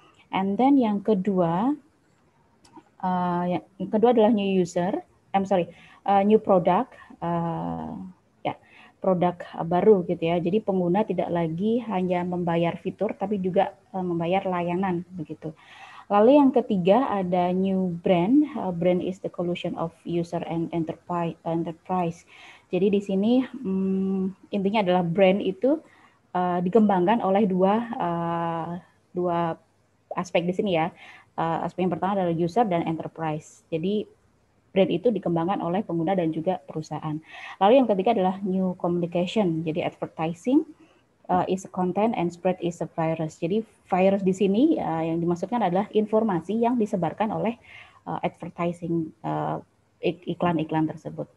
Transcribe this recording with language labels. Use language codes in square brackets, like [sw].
[en] And then [id] yang kedua adalah new user. [en] I'm sorry, new product. [id] Produk baru gitu ya. Jadi pengguna tidak lagi hanya membayar fitur tapi juga membayar layanan begitu. Lalu yang ketiga ada new brand. [en] Brand is the collusion of user and enterprise. [id] Jadi di sini intinya adalah brand itu dikembangkan oleh dua aspek di sini ya. Aspek yang pertama adalah user dan enterprise. Jadi brand itu dikembangkan oleh pengguna dan juga perusahaan. Lalu yang ketiga adalah new communication. Jadi [en] advertising is a content and spread is a virus. [id] Jadi virus di sini yang dimaksudkan adalah informasi yang disebarkan oleh advertising iklan-iklan tersebut.